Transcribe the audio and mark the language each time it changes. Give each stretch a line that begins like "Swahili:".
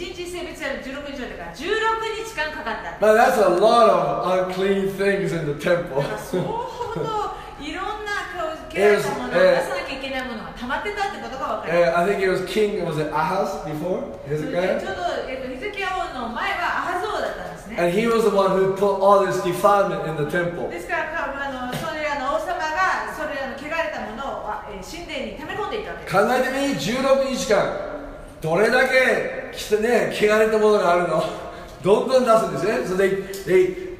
Japanese: そうですね。1日清別やる16日だから、16日間かかった。
English: Now that's a lot of unclean things in the temple.
Japanese: 相当いろんな穢れたものを出さなきゃいけないものが溜まってたってことが分かります
English: I think it was King, was it Ahaz before? Hezekiah?
Japanese: ちょうどヒゼキヤ王の前はアハゾウだったんですね。
English: And he was the one who put all this defilement in the temple.
Japanese: ですから、それらの王様がそれらの穢れたものを神殿に溜め込んでいたわけです。考えてみ、16日間、どれだけ来てね、穢れたものがあるの。どんどん出すんですね。